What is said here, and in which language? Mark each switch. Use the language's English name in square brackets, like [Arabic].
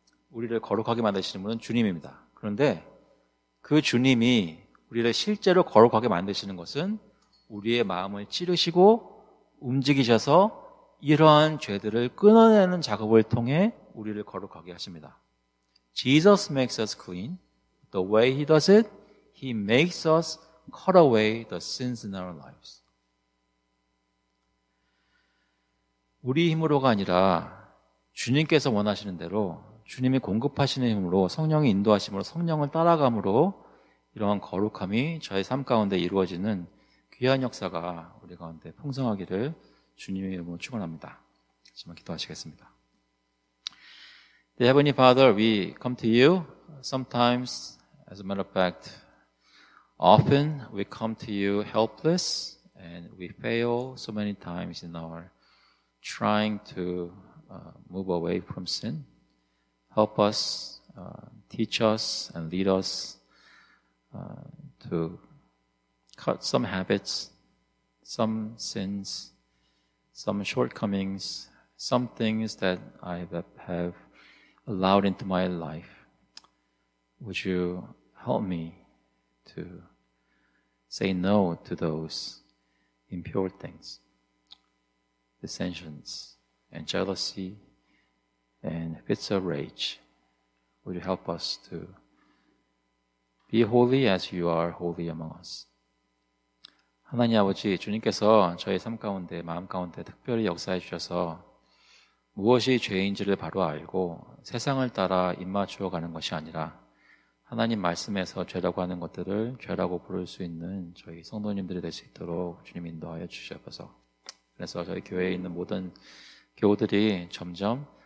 [Korean] 우리를 거룩하게 만드시는 분은 주님입니다. 그런데 그 주님이 우리를 실제로 거룩하게 만드시는 것은 우리의 마음을 찌르시고 움직이셔서 이러한 죄들을 끊어내는 작업을 통해 우리를 거룩하게 하십니다. [English] Jesus makes us clean. The way he does it, he makes us cut away the sins in our lives. [Korean] 우리 힘으로가 아니라 주님께서 원하시는 대로 주님이 공급하시는 힘으로 성령이 인도하심으로 성령을 따라감으로 이러한 거룩함이 저의 삶 가운데 이루어지는 귀한 역사가 우리 가운데 풍성하기를 주님의 이름으로 축원합니다. 잠시만 기도하시겠습니다. [English] Heavenly Father, we come to you. Sometimes, as a matter of fact, often we come to you helpless and we fail so many times in our trying to move away from sin. Help us, teach us and lead us to cut some habits, some sins, some shortcomings, some things that I have allowed into my life. Would you help me to say no to those impure things, dissensions and jealousy and fits of rage? Would you help us to be holy as you are holy among us? [Korean] 하나님 아버지, 주님께서 저의 삶 가운데, 마음 가운데 특별히 역사해 주셔서 무엇이 죄인지를 바로 알고 세상을 따라 입맞추어 가는 것이 아니라 하나님 말씀에서 죄라고 하는 것들을 죄라고 부를 수 있는 저희 성도님들이 될 수 있도록 주님 인도하여 주시옵소서. 그래서 저희 교회에 있는 모든 교우들이 점점